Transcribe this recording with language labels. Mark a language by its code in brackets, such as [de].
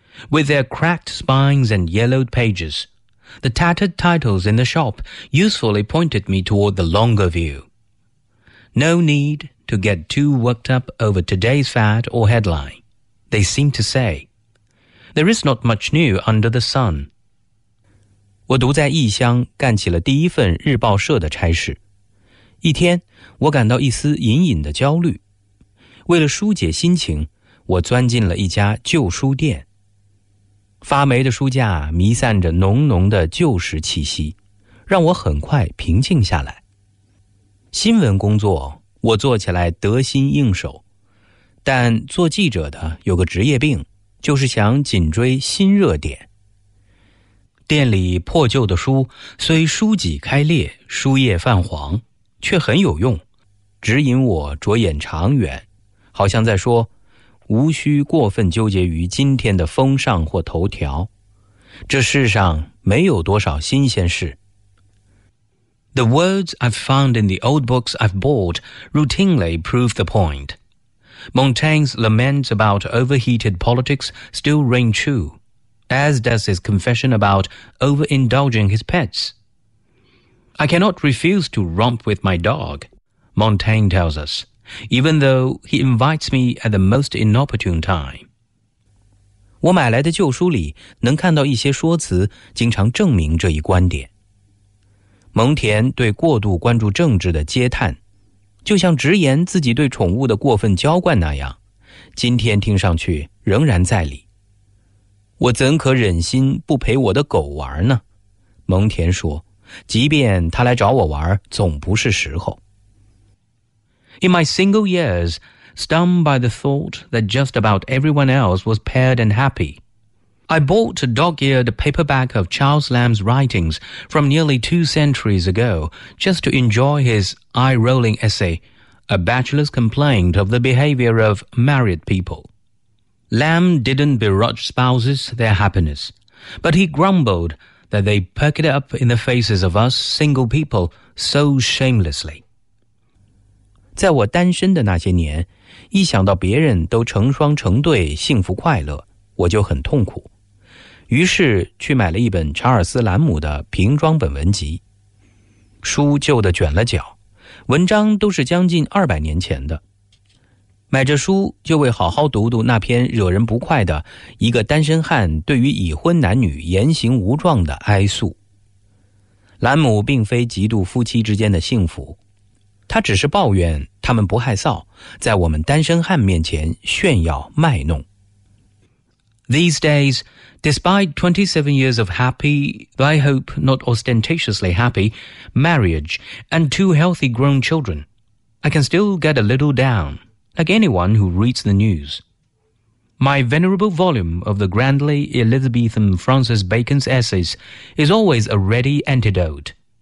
[en] With their cracked spines and yellowed pages, the tattered titles in the shop usefully pointed me toward the longer view. No need to get too worked up over today's fad or headline, they seem to say. There is not much new under the sun. [zh] 我独在异乡干起了第一份日报社的差事。一天，我感到一丝隐隐的焦虑。为了疏解心情，我钻进了一家旧书店。发霉的书架弥散着浓浓的旧时气息，让我很快平静下来。新闻工作我做起来得心应手，但做记者的有个职业病，就是想紧追新热点。店里破旧的书虽书脊开裂，书页泛黄，却很有用，指引我着眼长远，好像在说无需过分纠结于今天的风尚或头条，这世上没有多少新鲜事。 [en] The words I've found in the old books I've bought routinely prove the point. Montaigne's laments about overheated politics still ring true, as does his confession about overindulging his pets. I cannot refuse to romp with my dog, Montaigne tells us, even though he invites me at the most inopportune time. [zh] 我买来的旧书里能看到一些说辞经常证明这一观点。蒙田对过度关注政治的嗟叹，就像直言自己对宠物的过分娇惯那样，今天听上去仍然在理。我怎可忍心不陪我的狗玩呢？蒙田说，即便他来找我玩，总不是时候。 [en] In my single years, stunned by the thought that just about everyone else was paired and happy. I bought a dog-eared paperback of Charles Lamb's writings from nearly two centuries ago just to enjoy his eye-rolling essay, A Bachelor's Complaint of the Behavior of Married People. Lamb didn't begrudge spouses their happiness, but he grumbled that they perk it up in the faces of us single people so shamelessly. [zh] 在我单身的那些年，一想到别人都成双成对幸福快乐，我就很痛苦。于是去买了一本查尔斯·兰姆的瓶装本文集，书旧的卷了角，文章都是将近200年前的。买着书就为好好读读那篇惹人不快的一个单身汉对于已婚男女言行无状的哀诉。兰姆并非嫉妒夫妻之间的幸福，他只是抱怨他们不害臊，在我们单身汉面前炫耀卖弄。 [en] These days, despite 27 years of happy, I hope not ostentatiously happy, marriage and two healthy grown children, I can still get a little down, like anyone who reads the news. My venerable volume of the grandly Elizabethan Francis Bacon's essays is always a ready antidote.